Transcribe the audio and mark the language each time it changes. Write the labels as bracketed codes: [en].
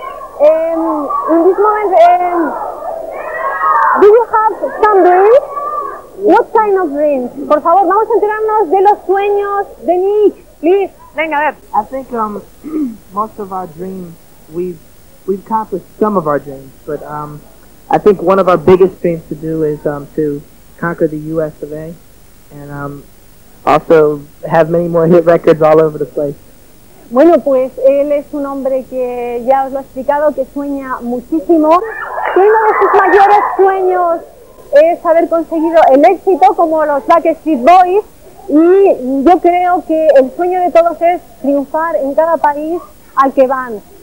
[en] In this moment, do you have some dreams? What kind of dreams? [es] Por favor, vamos a enterarnos de los sueños de Nick. [en] Please, [es] venga, a ver. [en] I think most of our dreams, we've accomplished some of our dreams, but I think one of our biggest dreams to do is to conquer the U.S. of A. And also have many more hit records all over the place. [es] Bueno, pues él es un hombre que ya os lo he explicado, que sueña muchísimo. Uno de sus mayores sueños es haber conseguido el éxito como los Backstreet Boys. Y yo creo que el sueño de todos es triunfar en cada país al que van.